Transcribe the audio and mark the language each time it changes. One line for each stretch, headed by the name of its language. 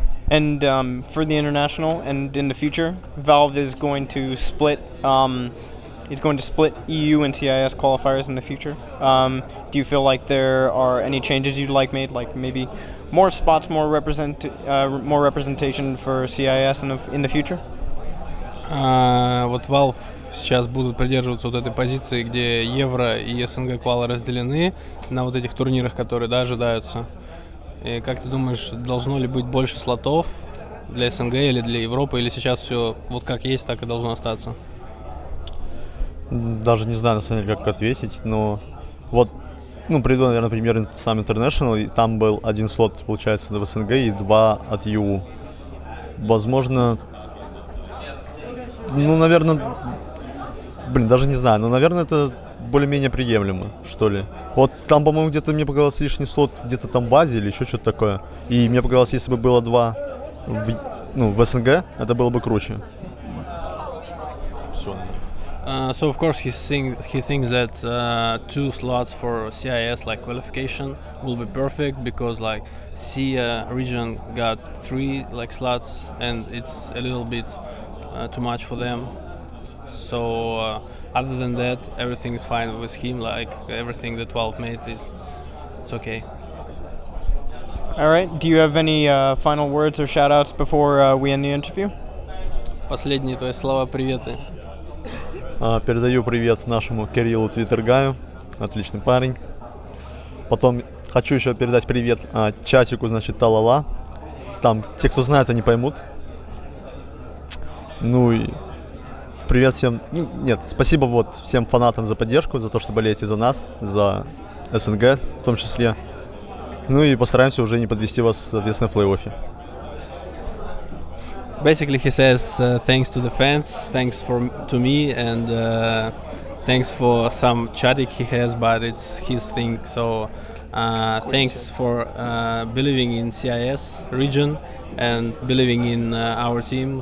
English: And for the international and in the future, Valve is going to split. Is going to split EU and CIS qualifiers in the future. Do you feel like there are any changes you'd like made, like maybe more spots, more represent, more representation for CIS in the future?
Russian: Вот Valve сейчас будут придерживаться вот этой позиции, где Евро и СНГ квалы разделены. На вот этих турнирах, которые, да, ожидаются. И как ты думаешь, должно ли быть больше слотов для СНГ или для Европы, или сейчас все вот как есть, так и должно остаться? Даже не знаю, на самом деле, как ответить, но вот, ну, приведу, наверное, пример сам International, и там был один слот, получается, в СНГ и два от ЮУ. Возможно, ну, наверное, блин, даже не знаю, но, наверное, это более-менее приемлемо, что ли. Вот там, по-моему, где-то мне показалось лишний слот где-то там в базе или еще что-то такое. И мне показалось, если бы было два в, ну, в СНГ, это было бы круче.
English: So of course he thinks that two slots for CIS like qualification will be perfect, because like CIS region got three like slots and it's a little bit too much for them. So other than that, everything is fine with him, like everything that Valve made is, it's okay. Alright, do you have any final words or shout-outs before we end the interview?
Russian: Последние твои слова, приветы. Передаю привет нашему Кириллу Твиттергаю, отличный парень. Потом хочу еще передать привет чатику, значит, Талала. Там те, кто знает, они поймут. Ну и... привет всем. Нет, спасибо вот всем фанатам за поддержку, за то, что болеете за нас, за СНГ в том числе. Ну и постараемся уже не подвести вас, соответственно, в плей-оффе.
English: Basically, he says thanks to the fans, thanks for to me, and thanks for some chatting he has, but it's his thing. So thanks for believing in CIS region and believing in our team.